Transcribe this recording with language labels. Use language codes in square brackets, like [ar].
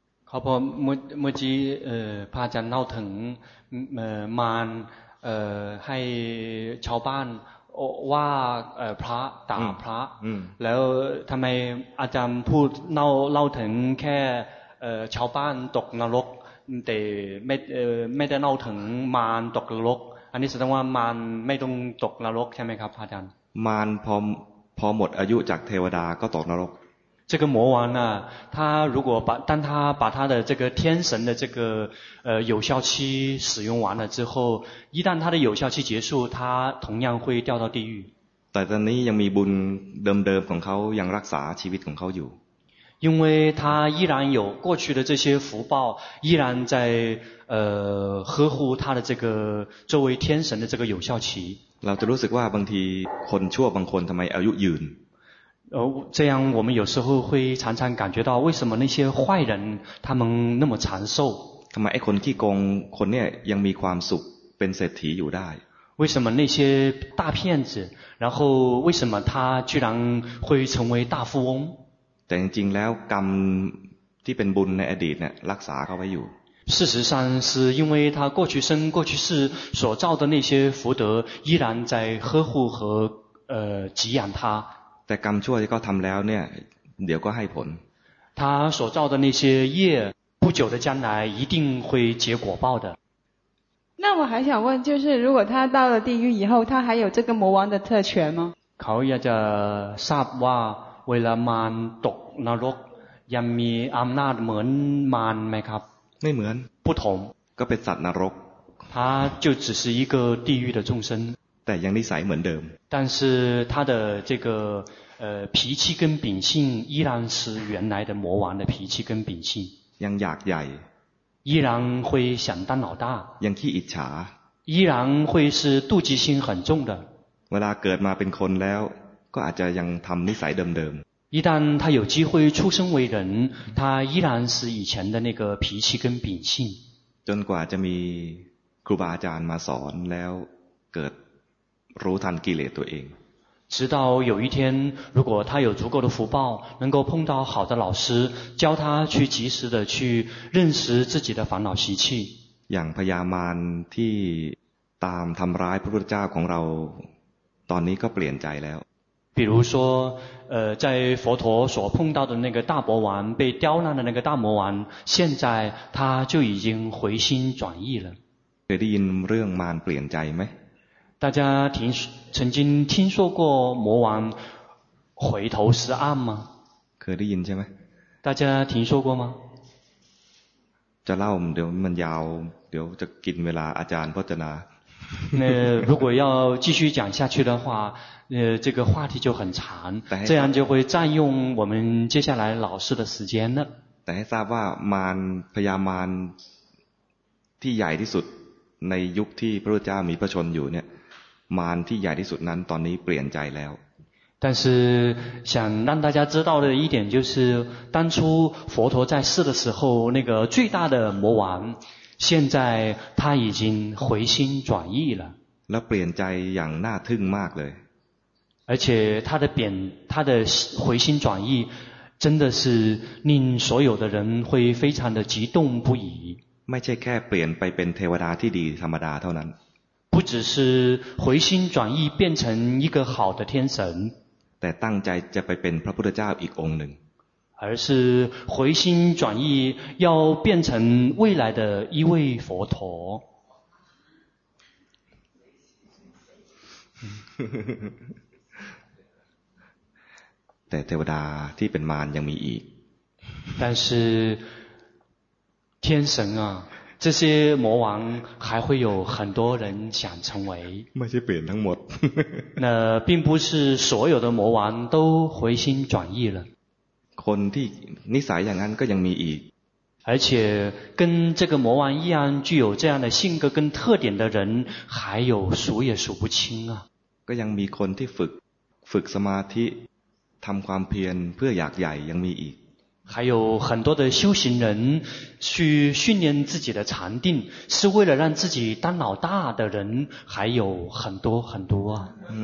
[th] ครับผมเมื่อกี้พระอาจารย์เล่าถึงมารให้ชาวบ้านว่าพระด่าพระแล้วทำไมอาจารย์พูดเล่าถึงแค่ชาวบ้านตกนรกแต่ไม่ได้เล่าถึงมารตกนรกอันนี้แสดงว่ามารไม่ต้องตกนรกใช่ไหมครับพระอาจารย์มารพอหมดอายุจากเทวดาก็ตกนรก [zh] 这个魔王呢，他如果当他把他的这个天神的这个有效期使用完了之后，一旦他的有效期结束，他同样会掉到地狱。 [th] แต่ตอนนี้ยังมีบุญเดิมๆของเขายังรักษาชีวิตของเขาอยู่。 [zh] 因为他依然有过去的这些福报，依然在呵护他的这个作为天神的这个有效期。 [th] เราจะรู้สึกว่าบางทีคนชั่วบางคนทำไมอายุยืน。 [zh] 这样我们有时候会常常感觉到为什么那些坏人他们那么长寿 [th] ทำไมไอ้คนขี้โกงคนเนี่ยยังมีความสุขเป็นเศรษฐีอยู่ได้ [zh] 为什么那些大骗子然后为什么他居然会成为大富翁 [th] แต่จริงแล้วกรรมที่เป็นบุญในอดีตเนี่ยรักษาเขาไว้อยู่ [zh] 事实上是因为他过去生过去世所造的那些福德依然在呵护和给养他 [th] แต่กรรมชั่วที่เขาทำแล้วเนี่ยเดี๋ยวก็ให้ผล [zh] 他所造的那些业不久的将来一定会结果报的那我还想问就是如果他到了地狱以后他还有这个魔王的特权吗 [th] เขาอยากจะทราบว่าเวลามารตกนรกยังมีอำนาจเหมือนมารไหมครับ ไม่เหมือน [zh] 不同 [th] ก็เป็นสัตว์นรก [zh] 他就只是一个地狱的众生 [th] แต่ยังนิสัยเหมือนเดิม [zh] 但是他的这个脾气跟秉性依然是原来的魔王的脾气跟秉性 [th] ยังอยากใหญ่ [zh] 依然会想当老大 [th] ยังขี้อิจฉา [zh] 依然会是妒忌心很重的 [th] เวลาเกิดมาเป็นคนแล้วก็อาจจะยังทำนิสัยเดิม [zh] ๆ一旦他有机会出生为人他依然是以前的那个脾气跟秉性 [th] จนกว่าจะมีครูบาอาจารย์มาสอนแล้วเกิดรู้ทันกิเลสตัวเอง [zh] 直到有一天如果他有足够的福报能够碰到好的老师教他去及时的去认识自己的烦恼习气 [th] อย่างพญามารที่ตามทำร้ายพระพุทธเจ้าของเราตอนนี้ก็เปลี่ยนใจแล้ว [zh] 比如说在佛陀所碰到的那个大魔王被刁难的那个大魔王现在他就已经回心转意了 [th] เคยได้ยินเรื่องมารเปลี่ยนใจไหม [zh] 大家曾经听说过魔王回头是岸吗可以听见吗大家听说过吗 [th] จะเล่าเดี๋ยวมันยาวเดี๋ยวจะกินเวลาอาจารย์พจนา [zh] 那如果要继续讲下去的话这个话题就很长这样就会占用我们接下来老师的时间了 [th] แต่ให้ทราบว่ามารพญามารที่ใหญ่ที่สุดในยุคที่พระพุทธเจ้ามีพระชนอยู่เนี่ยมารที่ใหญ่ที่สุดนั้นตอนนี้เปลี่ยนใจแล้ว [zh] 但是想让大家知道的一点就是当初佛陀在世的时候那个最大的魔王现在他已经回心转意了 [th] แล้วเปลี่ยนใจอย่างน่าทึ่งมากเลย [zh] 而且他的回心转意真的是令所有的人会非常的激动不已 [th] ไม่ใช่แค่เปลี่ยนไปเป็นเทวดาที่ดีธรรมดาเท่านั้น [zh] 不只是回心转意变成一个好的天神 [th] แต่ตั้งใจจะไปเป็นพระพุทธเจ้าอีกองค์หนึ่ง [zh] 而是回心转意要变成未来的一位佛陀 [th] แต่เทวดาที่เป็นมารยังมีอีก [zh] 但是天神啊这些魔王还会有很多人想成为 [th] ไม่ใช่เปลี่ยนทั้งหมด [zh] 那并不是所有的魔王都回心转意了 [th] คนที่นิสัยอย่างนั้นก็ยังมีอีก [zh] 而且跟这个魔王一样具有这样的性格跟特点的人还有数也数不清啊 [th] ก็ยังมีคนที่ฝึกสมาธิทำความเพียรเพื่ออยากใหญ่ยังมีอีก [zh] 还有很多的修行人去训练自己的禅定是为了让自己当老大的人还有很多很多啊